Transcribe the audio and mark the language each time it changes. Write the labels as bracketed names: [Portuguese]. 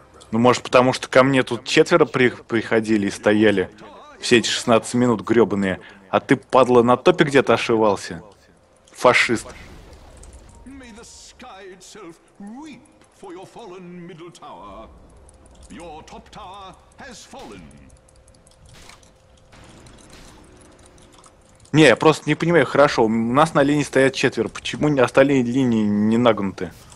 [Russian] Ну, может, потому что ко мне тут четверо приходили и стояли все эти 16 минут гребаные, а ты, падла, на топе где-то ошивался? Фашист. [English] May the sky itself weep for your fallen middle tower. Your top tower has fallen. [Russian] Не, я просто не понимаю, хорошо, у нас на линии стоят четверо, почему остальные линии не нагнуты?